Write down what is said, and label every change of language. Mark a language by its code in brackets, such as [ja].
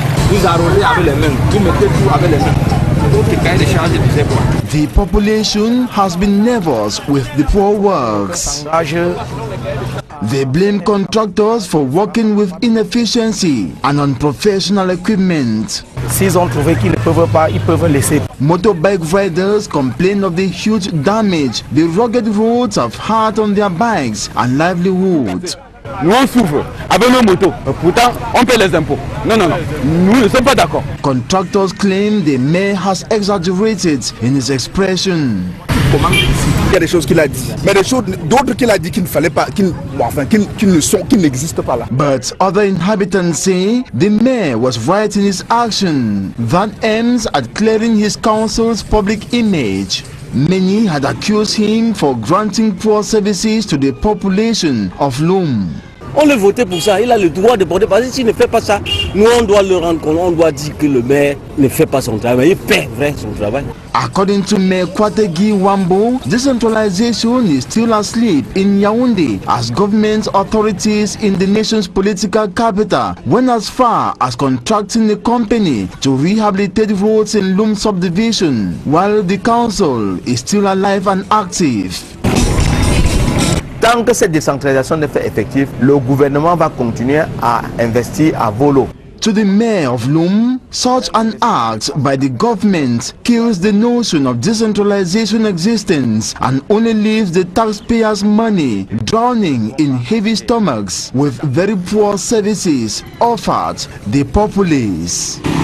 [en] The population has been nervous with the poor works. They blame contractors for working with inefficiency and unprofessional equipment. [fr] S'ils ont trouvé qu'ils ne peuvent pas, ils peuvent laisser. [en] Motorbike riders complain of the huge damage the rugged roads have had on their bikes and livelihoods. [fr] Nous on souffre avec nos motos, pourtant on paie les impôts. Non, nous ne sommes pas d'accord. [en] Contractors claim the mayor has exaggerated in his expression. [fr] Il y a des choses qu'il a dit, mais des choses d'autres qu'il a dit qu'il ne fallait pas, qui n'existent pas là. [en] But other inhabitants say the mayor was right in his action that aims at clearing his council's public image. Many had accused him for granting poor services to the population of Loum. [fr] On le votait pour ça, il a le droit de porter parce que s'il ne fait pas ça, nous on doit le rendre compte, on doit dire que le maire ne fait pas son travail, il perd vraiment son travail. [en] According to Mayor Kwategi Wambo, decentralization is still asleep in Yaoundé as government authorities in the nation's political capital went as far as contracting a company to rehabilitate roads in Loum subdivision while the council is still alive and active. [fr] Tant que cette décentralisation ne fait effective, le gouvernement va continuer à investir à volo. [en] To the mayor of Loum, such an act by the government kills the notion of decentralization existence and only leaves the taxpayers' money drowning in heavy stomachs with very poor services offered the populace.